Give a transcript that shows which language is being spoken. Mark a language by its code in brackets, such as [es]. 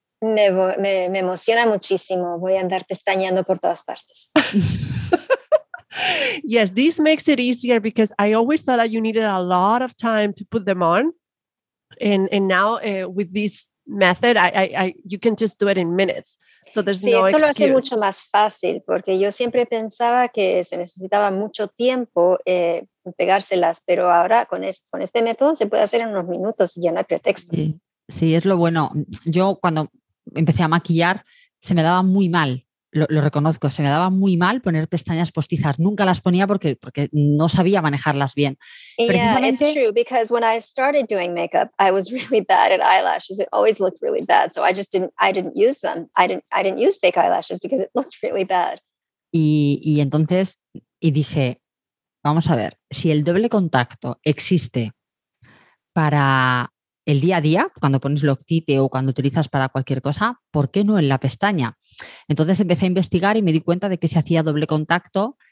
[es] Me emociona muchísimo. Voy a andar pestañeando por todas partes. [en] Yes, this makes it easier because I always thought that you needed a lot of time to put them on. And now with this method, I you can just do it in minutes. So there's no excuse. [es] Sí, esto lo hace mucho más fácil porque yo siempre pensaba que se necesitaba mucho tiempo pegárselas, pero ahora con este método se puede hacer en unos minutos y ya no hay pretexto. Sí, es lo bueno. Yo cuando empecé a maquillar se me daba muy mal, lo reconozco, se me daba muy mal poner pestañas postizas. Nunca las ponía porque no sabía manejarlas bien. [en] Precisamente, it's true because when I started doing makeup, I was really bad at eyelashes. It always looked really bad, so I just didn't use them. I didn't use fake eyelashes because it looked really bad. [es] Y entonces dije, vamos a ver, si el doble contacto existe para el día a día, cuando pones Loctite o cuando utilizas para cualquier cosa, ¿por qué no en la pestaña? Entonces empecé a investigar y me di cuenta de que si hacía doble contacto,